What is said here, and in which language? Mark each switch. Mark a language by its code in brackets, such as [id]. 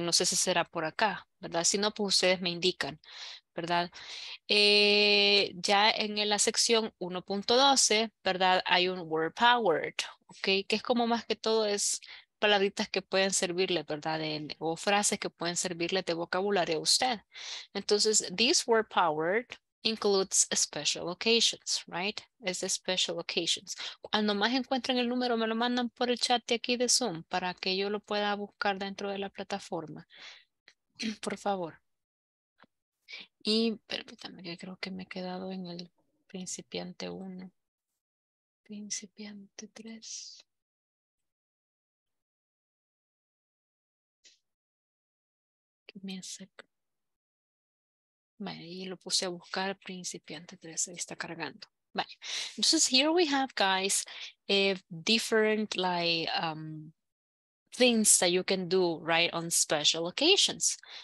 [es] No sé si será por acá, ¿verdad? Si no, pues ustedes me indican, ¿verdad? Ya en la sección 1.12, ¿verdad? Hay un word powered, ¿ok? Que es como más que todo es palabritas que pueden servirle, ¿verdad? O frases que pueden servirle de vocabulario a usted. Entonces, [en] this word powered includes special occasions, right? [es] Es de special occasions. Cuando más encuentren el número, me lo mandan por el chat de aquí de Zoom para que yo lo pueda buscar dentro de la plataforma. Por favor. Y permítanme que creo que me he quedado en el principiante 1. Principiante 3. [en] Give me a sec. [es] Vale, y lo puse a buscar principiante 3, ahí está cargando. Vale. [en] Entonces, here we have, guys, different like things that you can do right on special occasions.